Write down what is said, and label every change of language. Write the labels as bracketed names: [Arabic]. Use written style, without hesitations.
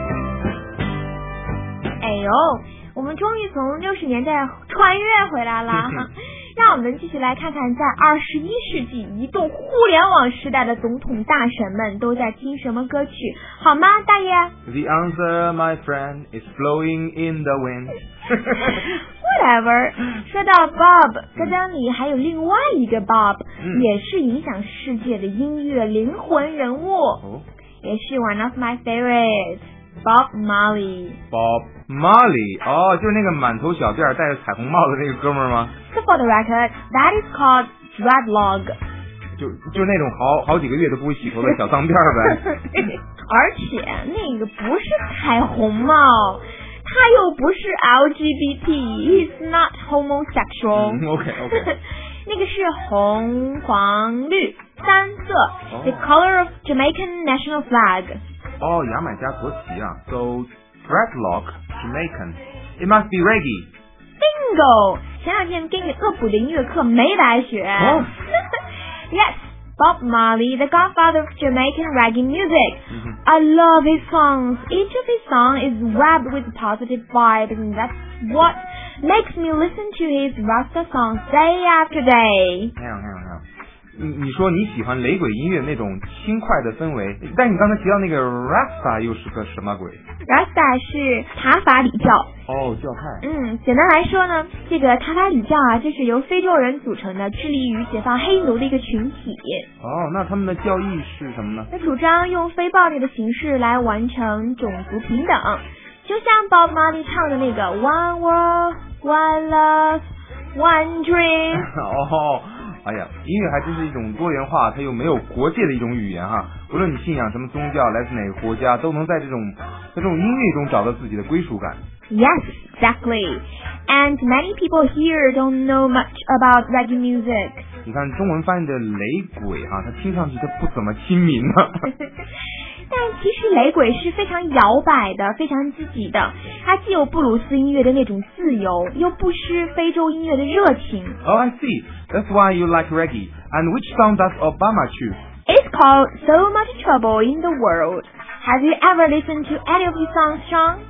[Chinese] 牛，我们终于从60年代穿越回来了。让我们继续来看看，在21世纪移动互联网时代的总统大神们都在听什么歌曲，好吗，大爷 [English] ？The answer, my friend, is blowing in the wind. Whatever. [Chinese] 说到 Bob， 歌单里还有另外一个 Bob， 也是影响世界的音乐灵魂人物，也是 [English] one of my favorites。 [Chinese] Bob Marley， Bob Marley， 哦，就是那个满头小辫戴着彩虹帽的那个哥们吗？ [English] So for the record， that is called dreadlock， [Chinese] 就那种好几个月都不会洗头的小脏辫呗。而且那个不是彩虹帽，他又不是 LGBT， [English] he's not homosexual。 OK [Chinese] 那个是红黄绿三色、 [English] oh. the color of Jamaican national flag。 [Chinese] 哦，牙买加国旗啊。 [English] So dreadlock Jamaican， it must be reggae。 [Chinese] Bingo， 前两天给你恶补的音乐课没白学、 oh. [English] Yes， Bob Marley， the godfather of Jamaican reggae music、mm-hmm. I love his songs. Each of his songs is wrapped with positive vibe, and that's what makes me listen to his Rasta songs day after day. [Chinese] 还有你说你喜欢雷鬼音乐那种轻快的氛围，但你刚才提到那个 Rasta 又是个什么鬼？ Rasta 是塔法里教。哦，教派。简单来说呢，这个塔法里教啊，就是由非洲人组成的，致力于解放黑奴的一个群体。哦，那他们的教义是什么呢？他主张用非暴力的形式来完成种族平等，就像 Bob Marley 唱的那个 One World One Love One Dream。哦。哎呀，音乐还真是一种多元化，它又没有国界的一种语言哈。无论你信仰什么宗教，来自哪个国家，都能在这种音乐中找到自己的归属感。 [English] Yes, exactly. And many people here don't know much about reggae music. [Chinese] 你看中文翻译的雷鬼哈，它听上去它不怎么亲民呢。但其实雷鬼是非常摇摆的，非常积极的，它既有布鲁斯音乐的那种自由，又不失非洲音乐的热情。 [English] Oh, I see. That's why you like reggae. And which song does Obama choose? It's called So Much Trouble in the World. Have you ever listened to any of his songs, Sean?